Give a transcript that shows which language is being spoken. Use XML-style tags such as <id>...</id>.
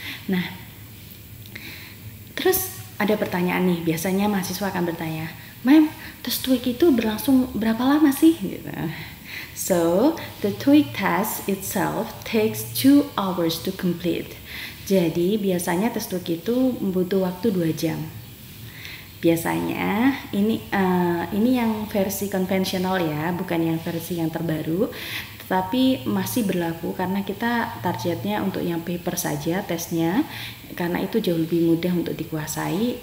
<id>Nah, terus ada pertanyaan nih, biasanya mahasiswa akan bertanya, "Mem, tes TOEIC itu berlangsung berapa lama sih?" Gitu.</id> <en>So, the TOEIC test itself takes 2 hours to complete.</en> <id>Jadi, biasanya tes TOEIC itu butuh waktu 2 jam. Biasanya ini yang versi konvensional ya, bukan yang versi yang terbaru, tetapi masih berlaku karena kita targetnya untuk yang paper saja tesnya, karena itu jauh lebih mudah untuk dikuasai.</id>